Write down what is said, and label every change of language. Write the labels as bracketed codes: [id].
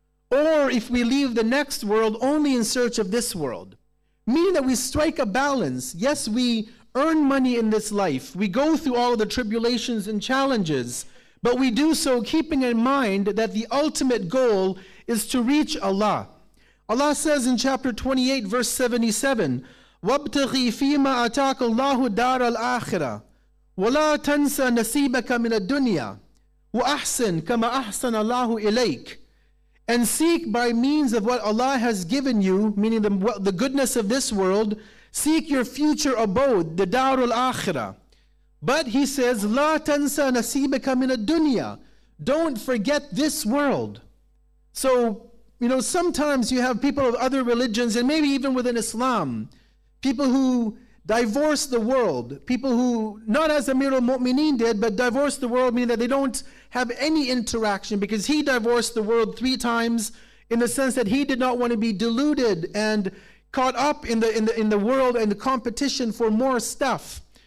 [en] Or if we leave the next world only in search of this world. Meaning that we strike a balance. Yes, we earn money in this life. We go through all of the tribulations and challenges. But we do so keeping in mind that the ultimate goal is to reach Allah. Allah says in chapter 28, verse 77, [ar] وَابْتَغِي فِيمَا أَتَاكَ اللَّهُ دَارَ الْآخِرَةِ وَلَا تَنْسَ نَسِيبَكَ مِنَ الدُّنْيَا وَأَحْسِنْ كَمَا أَحْسَنَ اللَّهُ إِلَيْكَ. [en] And seek by means of what Allah has given you, meaning the goodness of this world, seek your future abode, the دار الآخرة. But he says, [ar] لا تنسى نصيبك من الدنيا. [en] Don't forget this world. So, you know, sometimes you have people of other religions, and maybe even within Islam, people who divorce the world, people who, not as Amir al-Mu'mineen did, but divorce the world, meaning that they don't have any interaction, because he divorced the world three times, in the sense that he did not want to be deluded and caught up in the world and the competition for more stuff.